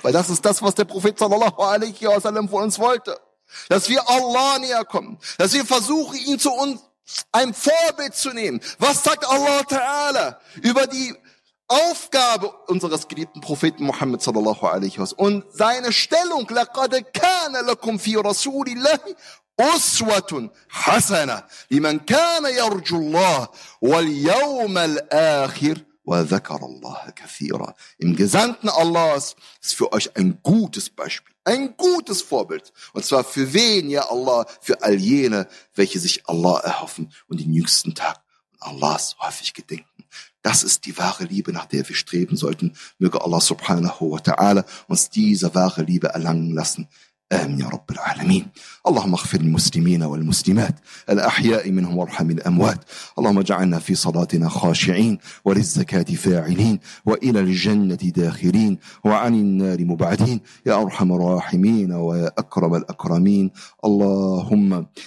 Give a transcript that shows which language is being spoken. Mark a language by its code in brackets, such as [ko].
[de] Weil das ist das, was der Prophet sallallahu alaihi wasallam von uns wollte. Dass wir Allah näher kommen. Dass wir versuchen, ihn zu uns ein Vorbild zu nehmen. Was sagt Allah Ta'ala über die Aufgabe unseres geliebten Propheten Muhammad sallallahu alaihi wasallam und seine Stellung? [ar] لقد كان لكم في رسول الله أسوة حسنة لمن كان يرجو الله واليوم الآخر وذكر الله كثيرا. [de] Im Gesandten Allahs ist für euch ein gutes Beispiel, ein gutes Vorbild. Und zwar für wen, ja Allah? Für all jene, welche sich Allah erhoffen und den jüngsten Tag Allahs häufig gedenken. Das ist die wahre Liebe, nach der wir streben sollten. Möge Allah subhanahu wa ta'ala uns diese wahre Liebe erlangen lassen. [ar] آمين يا رب العالمين اللهم اغفر للمسلمين والمسلمات الأحياء منهم وارحم الأموات اللهم اجعلنا في صلاتنا خاشعين وللزكاة فاعلين وإلى الجنة داخلين وعن النار مبعدين يا أرحم الراحمين ويا أكرم الأكرمين اللهم